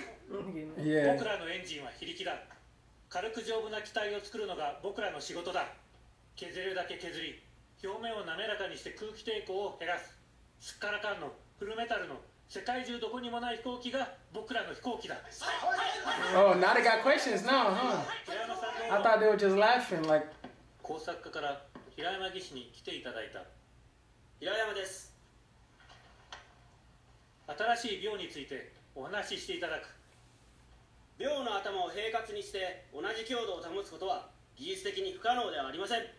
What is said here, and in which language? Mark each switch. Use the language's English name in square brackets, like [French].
[Japanese] 僕らのエンジンは非力だ。軽く丈夫な機体を作るのが僕らの仕事だ。削れるだけ削り、表面を滑らかにして空気抵抗を減らす。すっからかんのフルメタルの世界中どこにもない飛行機が僕らの飛行機だ。 [English] Oh, now they got questions now, huh? I thought they were just laughing, like... [Japanese] 工作家から平山技師に来ていただいた。平山です。新しい鋲についてお話ししていただく。鋲の頭を平滑にして同じ強度を保つことは技術的に不可能ではありません。